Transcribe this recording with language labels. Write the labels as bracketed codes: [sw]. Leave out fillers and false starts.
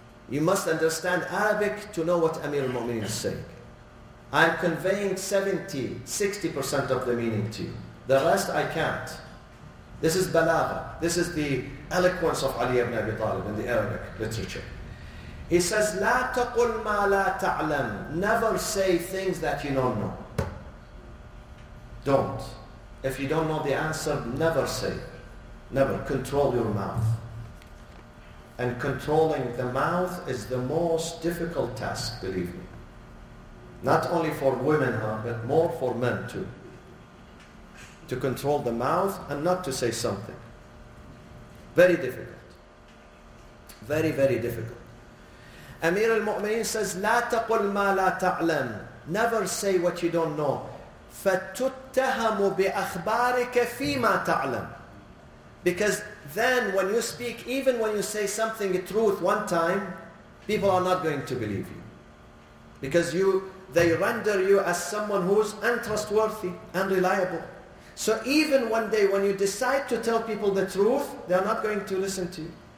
[en] You must understand Arabic to know what Amir al-Mu'mineen is saying. I'm conveying 60% of the meaning to you. The rest I can't. This is balagha. This is the eloquence of Ali ibn Abi Talib in the Arabic literature. He says, [ar] لا تقل ما لا تعلم. [en] Never say things that you don't know. Don't. If you don't know the answer, never say. Never. Control your mouth. And controlling the mouth is the most difficult task, believe me. Not only for women, but more for men too. To control the mouth and not to say something. Very difficult. Very, very difficult. Amir al-Mu'mineen says, [ar] لا تقل ما لا تعلم. [en] Never say what you don't know. [ar] فتتهم بأخبارك فيما تعلم. [en] Because then when you speak, even when you say something, a truth one time, people are not going to believe you. Because they render you as someone who is untrustworthy and reliable. So even one day when you decide to tell people the truth, they are not going to listen to you.